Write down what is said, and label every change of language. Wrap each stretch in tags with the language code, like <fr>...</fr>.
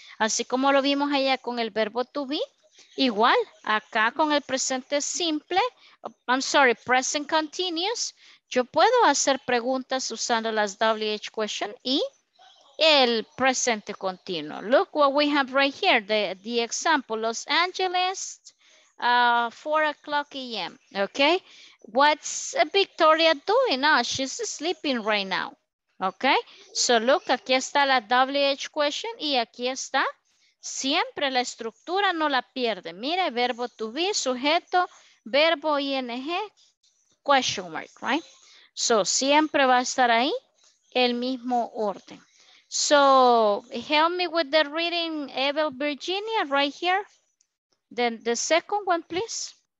<es>Así como lo vimos allá con el verbo to be, igual acá con el presente simple,</es> <en>I'm sorry, present continuous,</en> <es>yo puedo hacer preguntas usando las WH questions y el presente continuo.</es> <en>Look what we have right here, the example, Los Angeles, 4 o'clock a.m. Okay, what's Victoria doing now? She's sleeping right now.</en> <es>Okay, so look, aquí está la WH question y aquí está. Siempre la estructura no la pierde. Mire, verbo to be, sujeto, verbo ing, question mark, right? So siempre va a estar ahí el mismo orden.</es> <en>So help me with the reading, Evel Virginia, right here. Then the second one, please.</en>